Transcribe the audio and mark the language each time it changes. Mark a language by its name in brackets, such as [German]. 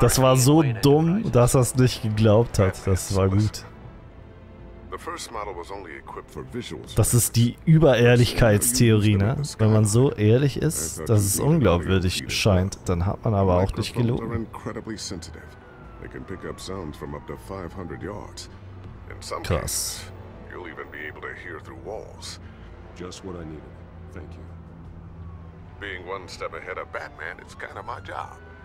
[German] Das war so dumm, dass er's nicht geglaubt hat. Das war gut. [English] The first model was only equipped for visuals. [German] Das ist die Überehrlichkeitstheorie, ne? Wenn man so ehrlich ist, dass es unglaubwürdig scheint, dann hat man aber auch nicht gelogen. [English] Are incredibly sensitive. They can pick up sounds from up to 500 yards. In some cases, you'll even be able to hear through walls. Just what I needed. Thank you. Being one step ahead of Batman, it's kind of my job.